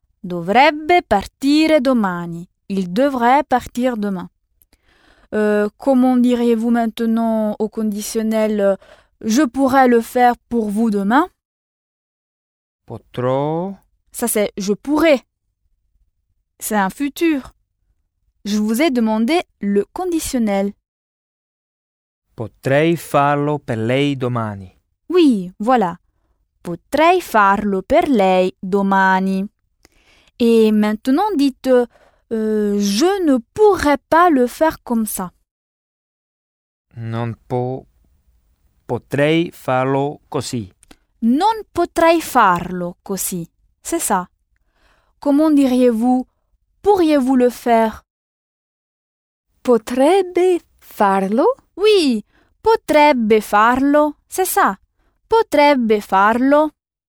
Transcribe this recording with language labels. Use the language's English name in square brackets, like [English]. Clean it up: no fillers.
[Italian] Dovrebbe partire domani. [French] Il devrait partir demain. Comment diriez-vous maintenant au conditionnel « je pourrais le faire pour vous demain » [Italian] Potrò. [French] Ça c'est « je pourrais ». C'est un futur. Je vous ai demandé le conditionnel. [Italian] Potrei farlo per lei domani. [French] Oui, voilà. [Italian] Potrei farlo per lei domani. [French] Et maintenant, dites « je ne pourrais pas le faire comme ça ». [Italian] Non potrei farlo così. Non potrei farlo così. [French] C'est ça. Comment diriez-vous « pourriez-vous le faire » [Italian] Potrebbe farlo. Oui, potrebbe farlo. [French] C'est ça. [Italian] Potrebbe farlo.